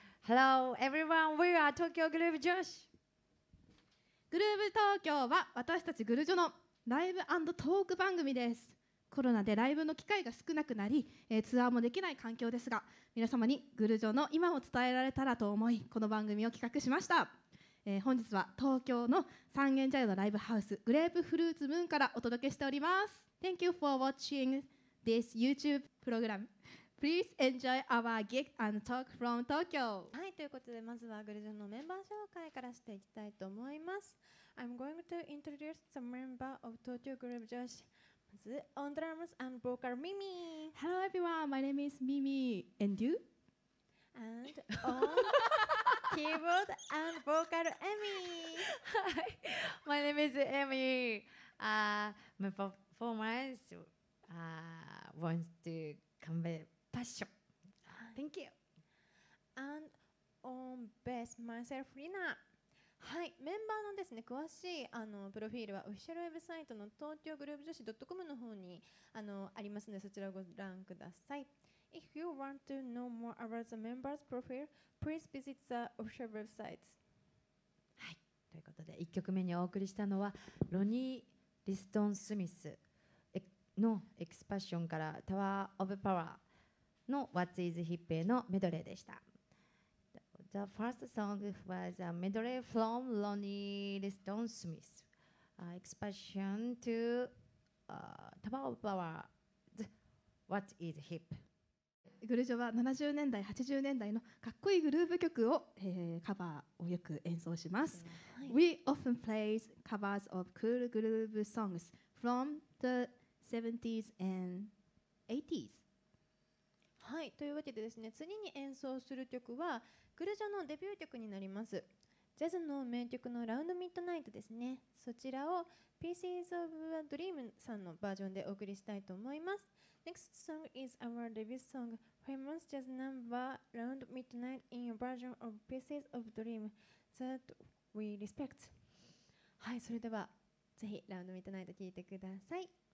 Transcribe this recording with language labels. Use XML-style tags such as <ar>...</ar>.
<en>Hello everyone, we are 東京グルーヴ女子。</en> <ja>グルーヴ東京は私たちグルジョのライブ&トーク番組です。コロナでライブの機会が少なくなり、ツアーもできない環境ですが、皆様にグルジョの今を伝えられたらと思い、この番組を企画しました。本日は東京の三軒茶屋のライブハウス、グレープフルーツムーンからお届けしております。</ja> <en>Thank you for watching this YouTube program. Please enjoy our gig and talk from Tokyo.</en> <ja>はい、ということでまずはグルジョのメンバー紹介からしていきたいと思います。</ja> <en>I'm going to introduce the member of Tokyo Group Joshi.</en> <ja>まず</ja> <en>on drums and vocal Mimi. Hello everyone, my name is Mimi. And you? And on keyboard and vocal Emmy. Hi, my name is Emmy. My performance wants to convey passion. Thank you. And on bass, myself, Rina.</en> <ja>はい、メンバーのですね、詳しいプロフィールはオフィシャルウェブサイトの東京グループ女子 .com の方にありますので、そちらをご覧ください。</ja> <en>If you want to know more about the members' profile, please visit the official website.</en> <ja>はい、ということで1曲目にお送りしたのはロニー・リストン・スミスのエクスパッションからタワー・オブ・パワーの What is Hippie のメドレーでした。</ja> <en>The first song was a medley from ロニー・リストン・スミス Expansion to タワー・オブ・パワー The What is Hippie</en> <ja>グルジョは70年代80年代のかっこいいグルーヴ曲を、カバーをよく演奏します、はい、</ja> <en>We often play covers of cool groove songs from the 70s and 80s。</en> <ja>はい、というわけでですね、次に演奏する曲はグルジョのデビュー曲になります、ジャズの名曲のラウンドミッドナイトですね。そちらを Pieces of a Dream さんのバージョンでお送りしたいと思います。</ja> <en>Next song is our debut song, famous jazz number Round Midnight in a version of Pieces of Dream that we respect.</en> <ja>はい、それではぜひ Round Midnight 聴いてください。</ja>